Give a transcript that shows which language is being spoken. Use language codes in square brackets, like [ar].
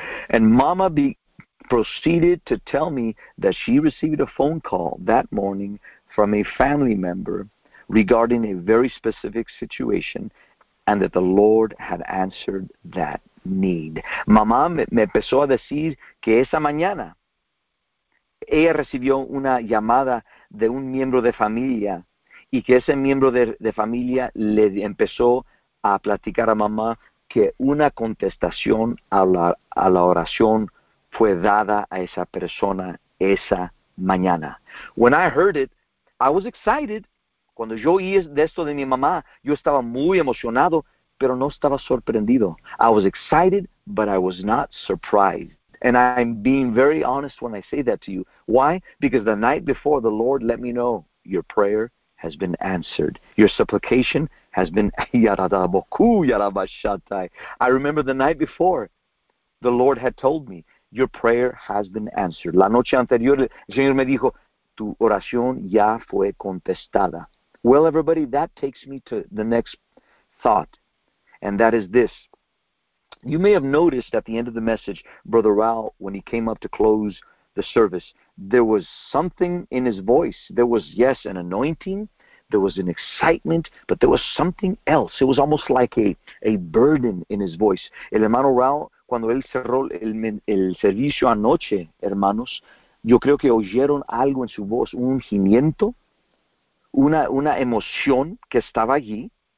[en] And Mama proceeded to tell me that she received a phone call that morning from a family member regarding a very specific situation, and that the Lord had answered that need. [es] Mamá me empezó a decir que esa mañana ella recibió una llamada de un miembro de familia, y que ese miembro de familia le empezó a platicar a mamá que una contestación a la oración fue dada a esa persona esa mañana. [en] When I heard it, I was excited. [es] Cuando yo oí de esto de mi mamá, yo estaba muy emocionado, pero no estaba sorprendido. [en] I was excited, but I was not surprised. And I'm being very honest when I say that to you. Why? Because the night before, the Lord let me know, your prayer has been answered. Your supplication has been... I remember the night before, the Lord had told me, your prayer has been answered. [es] La noche anterior, el Señor me dijo, tu oración ya fue contestada. [en] Well, everybody, that takes me to the next thought, and that is this. You may have noticed at the end of the message, Brother Rao, when he came up to close the service, there was something in his voice. There was, yes, an anointing. There was an excitement, but there was something else. It was almost like a burden in his voice. [es] El hermano Rao, cuando él cerró el servicio anoche, hermanos, yo creo que oyeron algo en su voz, un ungimiento, una emoción que estaba allí.